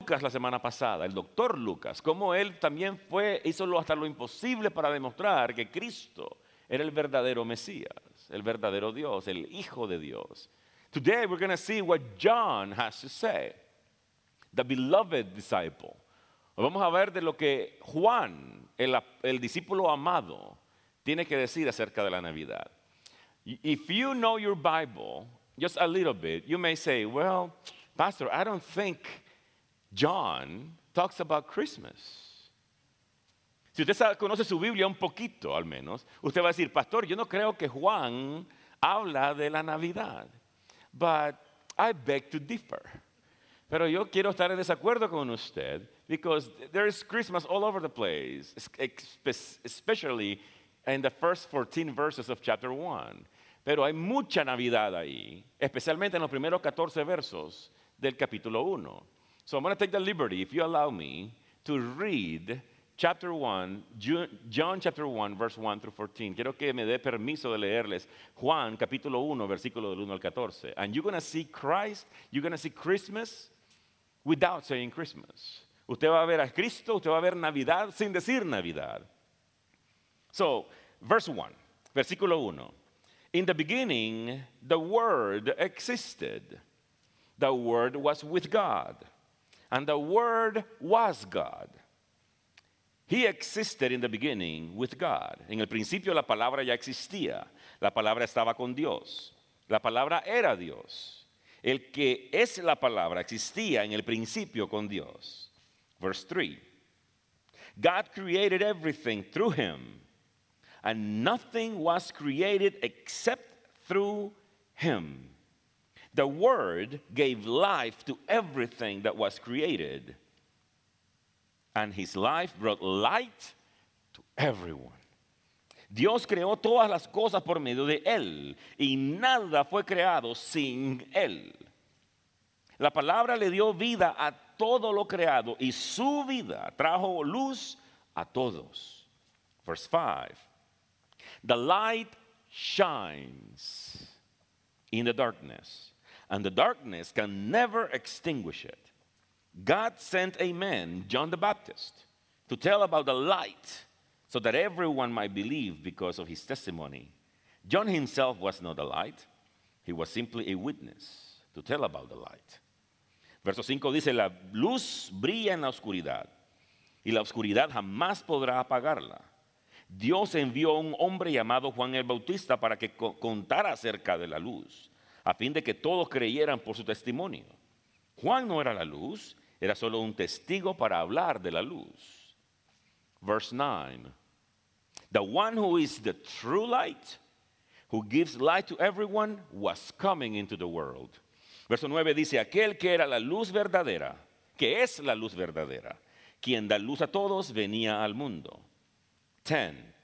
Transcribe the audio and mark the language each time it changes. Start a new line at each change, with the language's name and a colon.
Spanish: Lucas la semana pasada, el doctor Lucas, cómo él también fue, hizo hasta lo imposible para demostrar que Cristo era el verdadero Mesías, el verdadero Dios, el Hijo de Dios.
English: Today we're going to see what John has to say, the beloved disciple.
Spanish: Vamos a ver de lo que Juan, el discípulo amado, tiene que decir acerca de la Navidad.
English: If you know your Bible just a little bit, you may say, well, Pastor, I don't think John talks about Christmas.
Spanish: Si usted conoce su Biblia un poquito, al menos, usted va a decir, Pastor, yo no creo que Juan habla de la Navidad.
English: But I beg to differ.
Spanish: Pero yo quiero estar en desacuerdo con usted,
English: because there is Christmas all over the place, especially in the first 14 verses of chapter 1.
Spanish: Pero hay mucha Navidad ahí, especialmente en los primeros 14 versos del capítulo 1.
English: So I'm going to take the liberty, if you allow me, to read chapter 1, John chapter 1, verse 1 through 14.
Spanish: Quiero que me dé permiso de leerles Juan capítulo 1, versículo del 1 al 14.
English: And you're going to see Christ, you're going to see Christmas without saying Christmas.
Spanish: Usted va a ver a Cristo, usted va a ver Navidad sin decir Navidad.
English: So, verse 1,
Spanish: versículo 1.
English: In the beginning, the Word existed. The Word was with God, and the Word was God. He existed in the beginning with God.
Spanish: En el principio, la palabra ya existía. La palabra estaba con Dios. La palabra era Dios. El que es la palabra existía en el principio con Dios.
English: Verse 3. God created everything through him, and nothing was created except through him. The Word gave life to everything that was created, and his life brought light to everyone.
Spanish: Dios creó todas las cosas por medio de él, y nada fue creado sin él. La palabra le dio vida a todo lo creado, y su vida trajo luz a todos.
English: Verse 5. The light shines in the darkness, and the darkness can never extinguish it. God sent a man, John the Baptist, to tell about the light so that everyone might believe because of his testimony. John himself was not the light. He was simply a witness to tell about the light.
Spanish: Verso 5 dice, la luz brilla en la oscuridad, y la oscuridad jamás podrá apagarla. Dios envió un hombre llamado Juan el Bautista para que contara acerca de la luz, a fin de que todos creyeran por su testimonio. Juan no era la luz, era solo un testigo para hablar de la luz.
English: Verse 9. The one who is the true light, who gives light to everyone, was coming into the world.
Spanish: Verso 9 dice, aquel que era la luz verdadera, que es la luz verdadera, quien da luz a todos, venía al mundo. 10.